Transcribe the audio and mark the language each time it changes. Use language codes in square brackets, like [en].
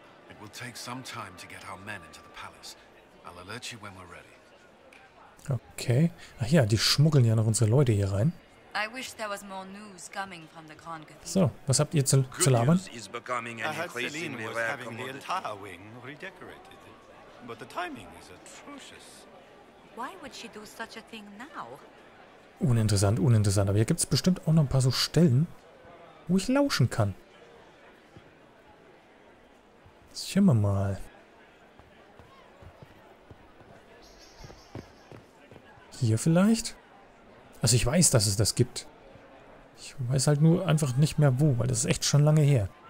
[en] It will take some time to get our men into the palace. I'll alert you when we're ready. Okay. [de] Ach ja, die schmuggeln ja noch unsere Leute hier rein. [en] I wish there was more news coming from the Grand Cathedral. [de] So, was habt ihr zu labern? [en] I heard Celine was having the entire wing redecorated. But the timing is atrocious. Why would she do such a thing now? [de] Uninteressant, uninteressant. Aber hier gibt es bestimmt auch noch ein paar so Stellen, wo ich lauschen kann. Schauen wir mal. Hier vielleicht? Also ich weiß, dass es das gibt. Ich weiß halt nur einfach nicht mehr wo, weil das ist echt schon lange her.